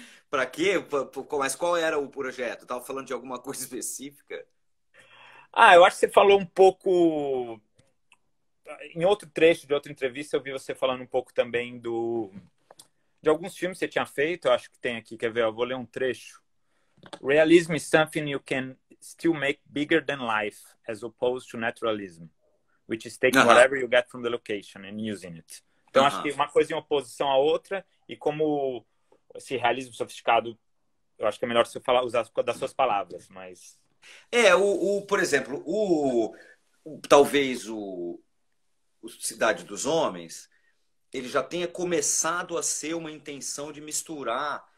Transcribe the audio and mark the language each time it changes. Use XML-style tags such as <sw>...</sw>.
<pt>Pra quê? Mas qual era o projeto? Tava falando de alguma coisa específica? Ah, eu acho que você falou um pouco. Em outro trecho de outra entrevista, eu vi você falando um pouco também de alguns filmes que você tinha feito. Eu acho que tem aqui. Quer ver? Eu vou ler um trecho.</pt> <en>Realism is something you can still make bigger than life, as opposed to naturalism, which is taking whatever you get from the location and using it.</en> <pt>Então, acho que uma coisa em oposição à outra, e como esse realismo sofisticado, eu acho que é melhor você falar, usar das suas palavras, mas. Por exemplo, talvez o Cidade dos Homens, ele já tenha começado a ser uma intenção de misturar.</pt>